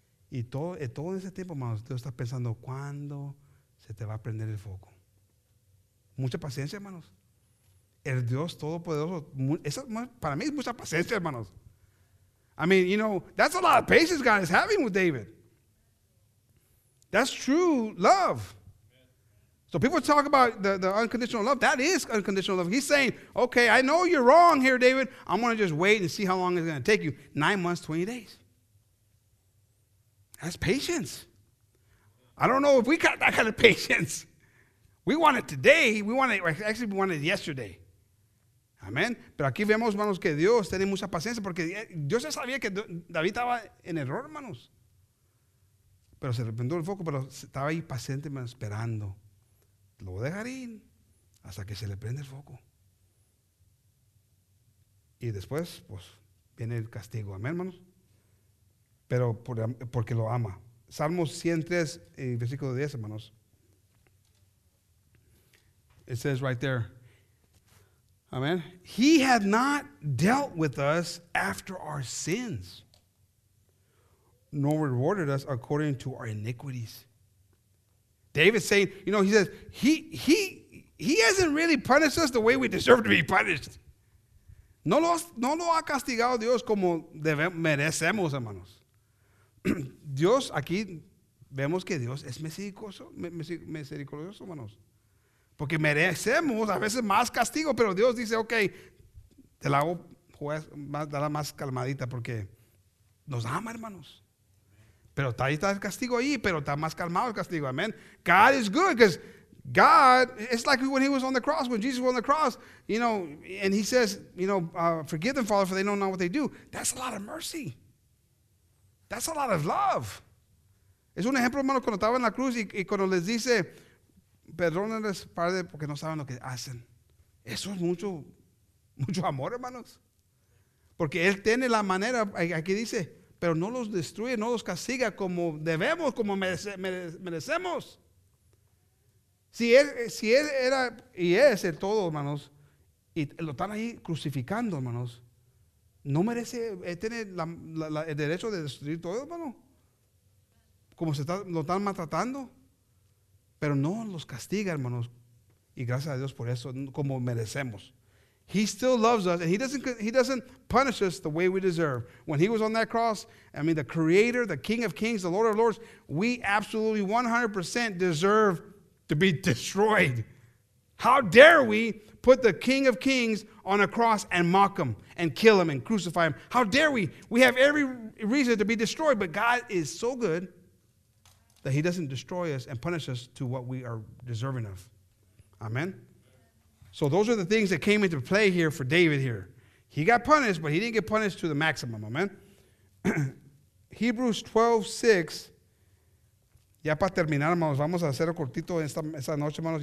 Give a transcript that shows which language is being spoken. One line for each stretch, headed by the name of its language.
Spanish: Y todo ese tiempo, hermanos, Dios está pensando, ¿cuándo se te va a prender el foco? Mucha paciencia, hermanos. El Dios Todopoderoso, para mí es mucha paciencia, hermanos.
English: I mean, you know, that's a lot of patience God is having with David. That's true love. So people talk about the unconditional love. That is unconditional love. He's saying, okay, I know you're wrong here, David. I'm going to just wait and see how long it's going to take you. 9 months, 20 days. That's patience. I don't know if we got that kind of patience. We want it today. We want it, actually, we want it yesterday. Amén.
Spanish: Pero aquí vemos, hermanos, que Dios tiene mucha paciencia porque Dios ya sabía que David estaba en error, hermanos. Pero se arrepentió el foco, pero estaba ahí paciente, hermanos, esperando. Lo voy a dejar ir hasta que se le prende el foco. Y después, pues, viene el castigo. Amén, hermanos. Pero porque lo ama. Salmos 103, versículo 10, hermanos.
English: It says right there. Amen. He had not dealt with us after our sins, nor rewarded us according to our iniquities. David's saying, you know, he says, he hasn't really punished us the way we deserve to be punished.
Spanish: No lo ha castigado Dios como merecemos, hermanos. Dios, aquí vemos que Dios es misericordioso, hermanos. Porque merecemos a veces más castigo, pero Dios dice, ok, te la hago pues, más, dala más calmadita porque nos ama, hermanos. Pero está ahí, está el castigo ahí, pero está más calmado el castigo, amén.
English: God is good, because God, it's like when he was on the cross, when Jesus was on the cross, you know, and he says, you know, forgive them, Father, for they don't know what they do. That's a lot of mercy. That's a lot of love.
Spanish: Es un ejemplo, hermano, cuando estaba en la cruz y cuando les dice, perdónales, Padre, porque no saben lo que hacen. Eso es mucho, mucho amor, hermanos. Porque Él tiene la manera, aquí dice, pero no los destruye, no los castiga como debemos, como merecemos. Si él era y es el todo, hermanos, y lo están ahí crucificando, hermanos, no merece, Él tiene el derecho de destruir todo, hermano. Como lo están maltratando. Pero no los castiga, hermanos. Y gracias a Dios por eso, como merecemos.
English: He still loves us, and he doesn't punish us the way we deserve. When he was on that cross, I mean, the Creator, the King of Kings, the Lord of Lords, we absolutely 100% deserve to be destroyed. How dare we put the King of Kings on a cross and mock him and kill him and crucify him? How dare we? We have every reason to be destroyed, but God is so good that he doesn't destroy us and punish us to what we are deserving of. Amen? So those are the things that came into play here for David here. He got punished, but he didn't get punished to the maximum. Amen? Hebrews 12:6.
Spanish: Ya para terminar, hermanos, vamos a hacer cortito esta noche, hermanos.